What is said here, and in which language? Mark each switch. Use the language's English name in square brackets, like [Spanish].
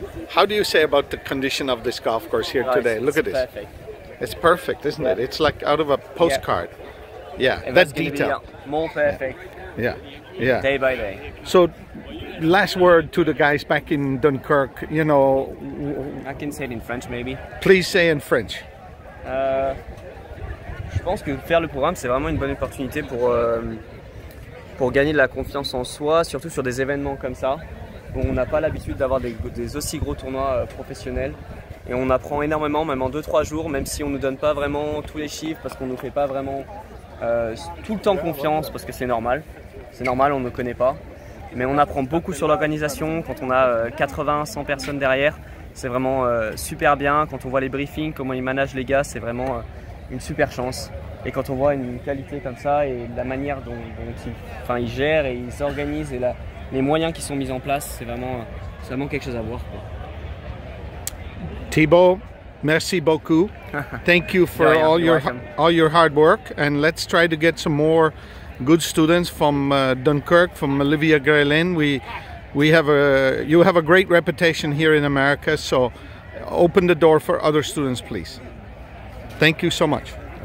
[English] How do you say about the condition of this golf course here today? It's look at perfect. This. It's perfect, isn't it? It's like out of a postcard. Yeah, and that detail. Be more perfect. Yeah. Day by day. So, last word to the guys back in Dunkirk. You know, I can say it in French, maybe. Please say in French. [French] Je pense que faire le programme c'est vraiment une bonne opportunité pour gagner de la confiance en soi, surtout sur des événements comme ça. on n'a pas l'habitude d'avoir des aussi gros tournois professionnels. Et on apprend énormément, même en 2-3 jours, même si on ne nous donne pas vraiment tous les chiffres, parce qu'on ne nous fait pas vraiment tout le temps confiance, parce que c'est normal. C'est normal, on ne connaît pas. Mais on apprend beaucoup sur l'organisation. Quand on a 80-100 personnes derrière, c'est vraiment super bien. Quand on voit les briefings, comment ils managent les gars, c'est vraiment une super chance. Et quand on voit une qualité comme ça et la manière dont ils gèrent et ils s'organisent et les moyens qui sont mis en place, c'est vraiment quelque chose à voir. Thibaut, merci beaucoup. [English] Thank you for all your hard work, and let's try to get some more good students from Dunkirk, from Olivia Grelin. You have a great reputation here in America, so open the door for other students, please. Thank you so much.